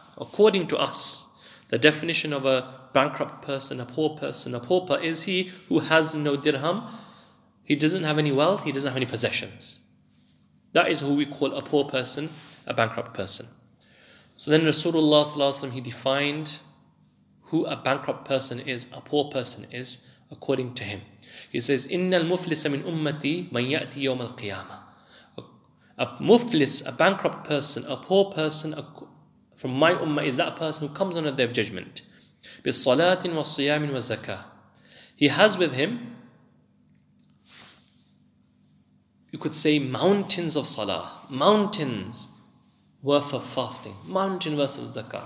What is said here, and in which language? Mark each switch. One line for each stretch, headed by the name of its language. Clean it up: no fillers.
English: According to us, the definition of a bankrupt person, a poor person, a pauper, is he who has no dirham. He doesn't have any wealth, he doesn't have any possessions. That is who we call a poor person, a bankrupt person. So then Rasulullah, he defined who a bankrupt person is, a poor person is, according to him.
Arabic: He says, إِنَّ الْمُفْلِسَ مِنْ أُمَّتِي مَنْ يَأْتِي يَوْمَ الْقِيَامَةِ.
English: A muflis, a bankrupt person, a poor person from my ummah is that person who comes on the Day of Judgment.
Arabic: بِالصَّلَاةٍ وَالصِّيَامٍ وَالزَّكَاةٍ.
English: He has with him, you could say, mountains of salah, mountains worth of fasting, mountain worth of zakah.